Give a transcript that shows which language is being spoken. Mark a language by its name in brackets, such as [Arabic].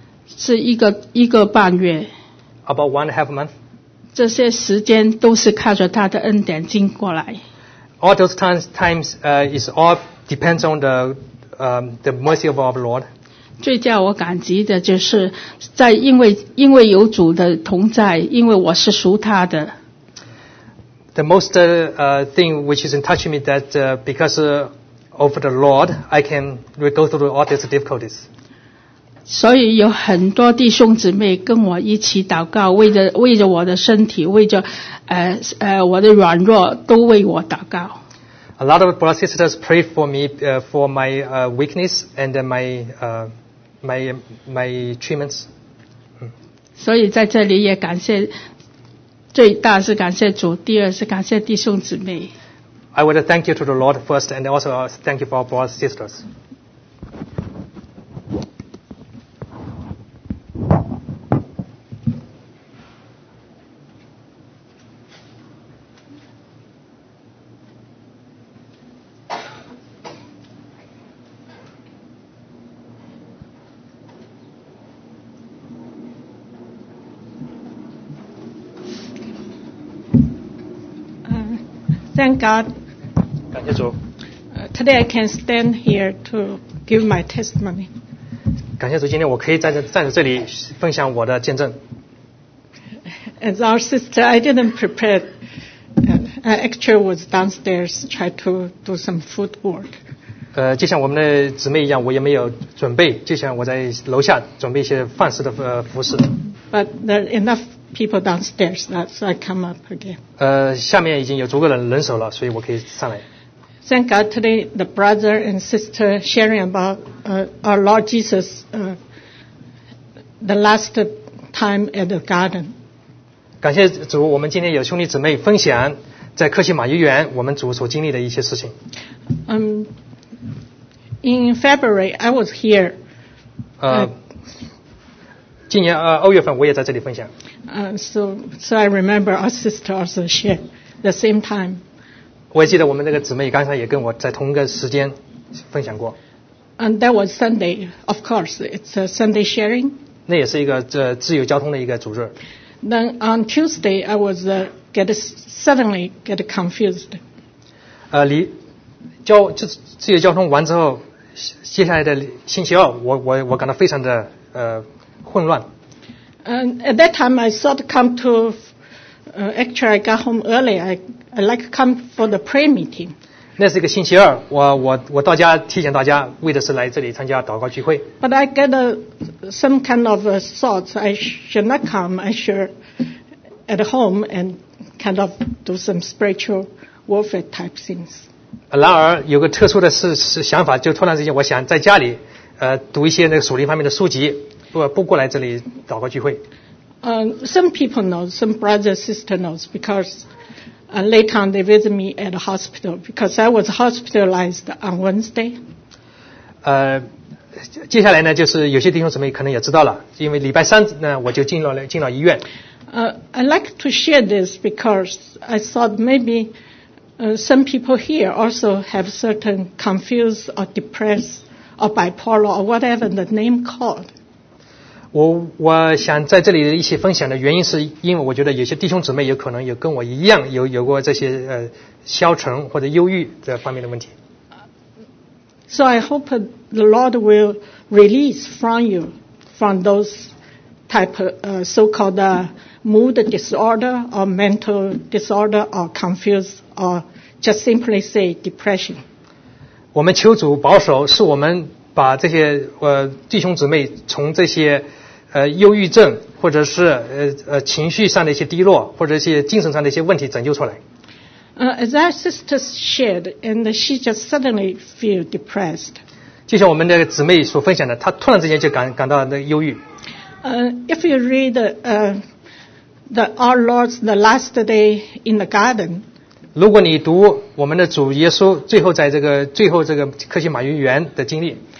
[Chinese] 是一个半月 [English] about 1.5 months, [Chinese] 这些时间都是靠着他的恩典经过来 [English] all those times is all depends on the mercy of our Lord, [Chinese] 最叫我感激的就是在因为有主的同在，因为我是属他的。 [English] The most thing which is in touch me that because of the Lord, I can go through all these difficulties. [Chinese] 所以有很多弟兄姊妹跟我一起祷告，为着我的身体，为着我的软弱，都为我祷告。 [English] A lot of brothers and sisters prayed for me for my weakness and my treatments. [Chinese] 所以在这里也感谢，最大是感谢主，第二是感谢弟兄姊妹。 [English] I would thank you to the Lord first, and also thank you for our brothers and sisters. Thank God. [Chinese] 感谢主。 [English] Today I can stand here to give my testimony. [Chinese] 感谢主，今天我可以站在这里分享我的见证。 [English] As our sister, I didn't prepare. I actually was downstairs trying to do some food work. [Chinese] 就像我们的姊妹一样，我也没有准备，就像我在楼下准备一些饭食的服饰。 [English] But there are enough people downstairs, so I come up again. [Chinese] 下面已经有足够的人手了，所以我可以上来。 [English] Thank God today the brother and sister sharing about our Lord Jesus the last time at the garden. [Chinese] 感谢主，我们今天有兄弟姊妹分享在克西马尼园我们主所经历的一些事情。 [English] In February I was here. [Chinese] 今年二月份我也在这里分享。 [English] So I remember our sister also shared the same time. [Chinese] 我也记得我们那个姊妹刚才也跟我在同一个时间分享过。 [English] And that was Sunday, of course. It's a Sunday sharing. [Chinese] 那也是一个自由交通的一个主日。 [English] Then on Tuesday, I was suddenly get confused. 自由交通完之后，接下来的星期二，我感到非常的混乱。 And at that time, I thought come to. Actually, I got home early. I like come for the prayer meeting. [Chinese] 那是一个星期二，我到家提醒大家，为的是来这里参加祷告聚会。 [English] But I get some kind of thoughts. I should not come. I should at home and kind of do some spiritual warfare type things. [Chinese] 然而有个特殊的是想法，就突然之间我想在家里读一些那个属灵方面的书籍，不过来这里祷告聚会。 [English] Some people know, some brothers, sisters know, because later on they visit me at the hospital, because I was hospitalized on Wednesday. [Chinese] 接下来呢，就是有些弟兄姊妹可能也知道了，因为礼拜三呢，我就进了医院。 [English] I'd like to share this because I thought maybe some people here also have certain confused or depressed or bipolar or whatever the name called. [Chinese] 我想在这里一起分享的原因是因为我觉得有些弟兄姊妹有可能有跟我一样有过这些消沉或者忧郁这方面的问题。 [English] So I hope the Lord will release from you from those type of so-called mood disorder or mental disorder or confused or just simply say depression. [Chinese] 我们求主保守，是我们把这些弟兄姊妹从这些忧郁症或者是情绪上的一些低落或者一些精神上的一些问题拯救出来。 [English] As our sister shared, and she just suddenly feel depressed. [Chinese] 就像我们的姊妹所分享的，她突然之间就感到那忧郁。 [English] If you read the our Lord's the last day in the garden. [Chinese] 如果你读我们的主耶稣最后在这个克西马尼园的经历。